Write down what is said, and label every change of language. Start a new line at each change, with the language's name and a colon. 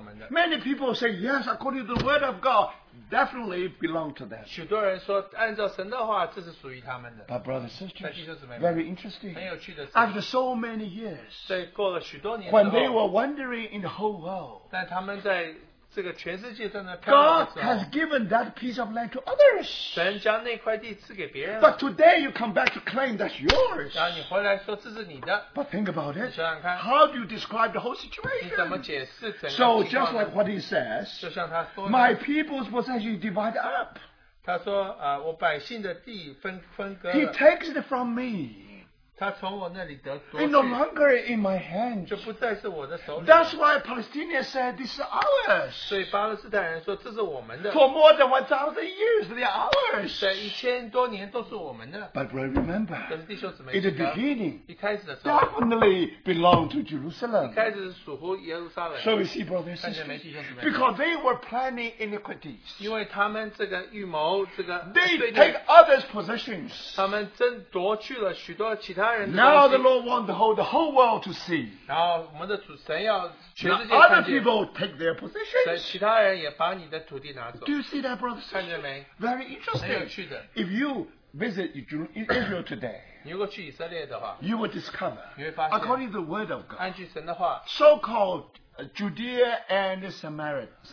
English: many people say, yes, according to the word of God, definitely belong to them.
Chinese: 许多人说, 按照神的话,
English: but brothers and sisters, very interesting.
Chinese: 很有趣的事情,
English: after so many years,
Chinese: 对,过了许多年之后,
English: when they were wandering in the whole world,
Chinese: 但他们在这个全世界在那漂亮的时候,
English: God has given that piece of land to others.
Chinese: 神将那块地赐给别人,
English: but today you come back to claim that's yours.
Chinese: 然后你回来说,
English: but think about it.
Chinese: 你想想看,
English: how do you describe the whole situation?
Chinese: 你怎么解释整个情况呢?
English: So just like what he says,
Chinese: 就像他说的,
English: my people's possession is divided up.
Chinese: 他说, 我百姓的地分割了,
English: he takes it from me. It no longer in my hands. That's why Palestinians said this is ours.
Chinese: 所以巴勒斯坦人说,
English: For more than 1,000 years, they are ours.
Chinese: 1,000多年都是我们的,
English: but remember,
Chinese: 但是弟兄姊妹,
English: in the beginning,
Chinese: 一开始的时候,
English: definitely belonged to Jerusalem.
Chinese: 一开始是属乎耶路撒冷,
English: so we see, brothers and sisters,
Chinese: 看见没弟兄姊妹,
English: because they were planning iniquities.
Chinese: 因为他们这个预谋,
English: they take others' possessions.
Chinese: 他们争夺去了许多其他
English: Now the Lord wants the whole world to see. Now other people take their possessions. Do you see that, brothers and sisters? Very interesting. If you visit Israel today, you will discover, according to the word of God, so-called Judea and Samaria.